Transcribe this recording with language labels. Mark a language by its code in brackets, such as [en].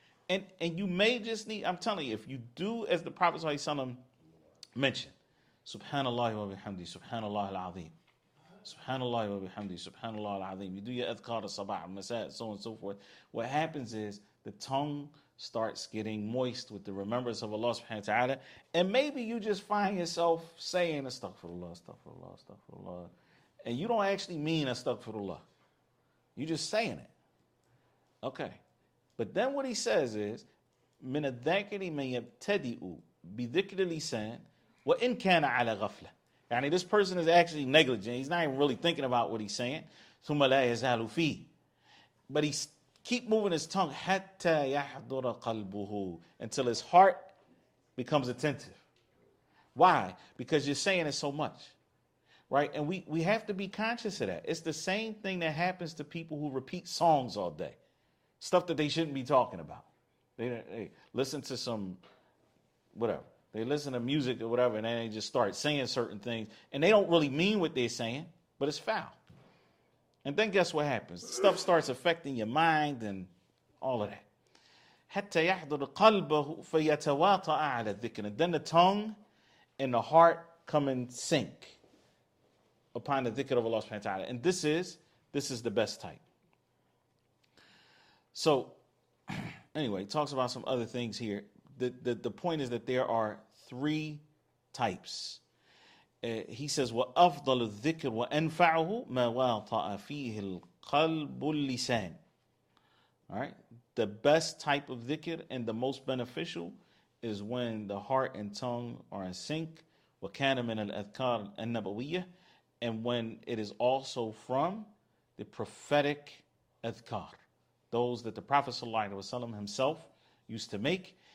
[en] And you may just need, I'm telling you, if you do as the Prophet ﷺ mentioned, subhanallah wa bihamdi, subhanallah al-azim, subhanallah wa bihamdi, subhanallah al-azim, you do your adhkar al-sabah, al-masah, so on and so forth, what happens is the tongue starts getting moist with the remembrance of Allah subhanahu wa ta'ala, and maybe you just find yourself saying astaghfirullah, astaghfirullah, astaghfirullah, and you don't actually mean astaghfirullah, you're just saying it. Okay. But then what he says is, [ar] من الذاكر من يبتدئ بذكر اللسان وإن كان على غفلة. [en] يعني this person is actually negligent. He's not even really thinking about what he's saying. [ar] ثم لا يزال فيه. [en] But he keep moving his tongue [ar] حتى يحضر قلبه [en] until his heart becomes attentive. Why? Because you're saying it so much. Right? And we have to be conscious of that. It's the same thing that happens to people who repeat songs all day. Stuff that they shouldn't be talking about. They listen to some, whatever. They listen to music or whatever, and then they just start saying certain things. And they don't really mean what they're saying, but it's foul. And then guess what happens? Stuff starts affecting your mind and all of that. [ar] حَتَّى يَحْضُرُ قَلْبَهُ فَيَتَوَاطَعَ عَلَى الذِّكْرِ. [en] And then the tongue and the heart come in sync upon the dhikr of Allah subhanahu wa ta'ala. And this is the best type. So, anyway, he talks about some other things here. The point is that there are three types. He says, [ar] وَأَفْضَلُ الذِّكْرُ وَأَنْفَعُهُ مَا وَاطَعَ فِيهِ الْقَلْبُ الْلِسَانِ. [en] All right? The best type of dhikr and the most beneficial is when the heart and tongue are in sync. [ar] وَكَانَ مِنَ الْأَذْكَارِ النَّبَوِيَّةِ. [en] And when it is also from the prophetic adhkar. Those that the Prophet ﷺ himself used to make.